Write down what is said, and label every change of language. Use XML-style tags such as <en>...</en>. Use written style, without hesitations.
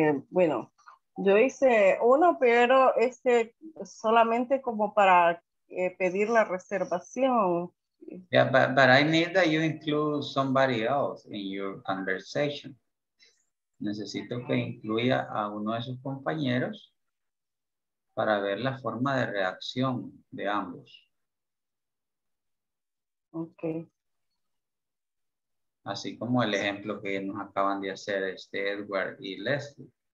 <es>Bueno, yo hice uno, pero este solamente como para pedir la reservación.</es> <en>Yeah, but I need that you include somebody else in your conversation.</en> <es>Necesito que incluya a uno de sus compañeros para ver la forma de reacción de ambos. Ok. Así como el ejemplo que nos acaban de hacer este Edward y Leslie.</es>